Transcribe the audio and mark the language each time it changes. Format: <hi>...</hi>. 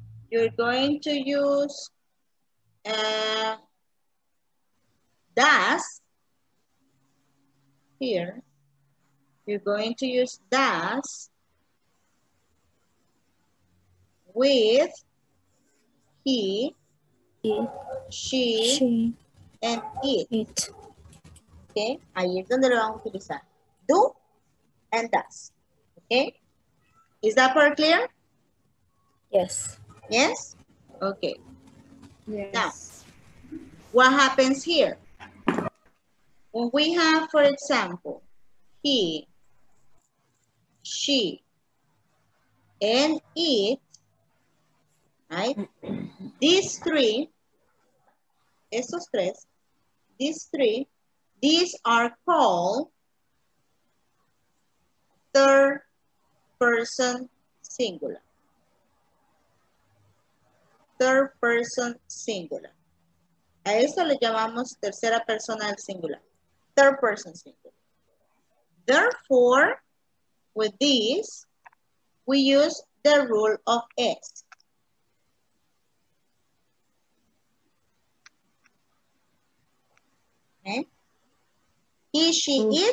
<en>You're going to use does here. You're going to use does with he, she, and it.</en> <es>Okay, ahí es donde lo vamos a utilizar.</es> <en>Do and does. Okay, is that part clear? Yes. Yes? Okay. Yes. Now, what happens here? When we have, for example, he, she, and it, right? These three,</en> <es>esos tres,</es> <en>these three, these are called third person singular. Third person singular.</en> <es>A eso le llamamos tercera persona del singular.</es> <en>Third person singular. Therefore, with this, we use the rule of S. Okay. Is she it?</en>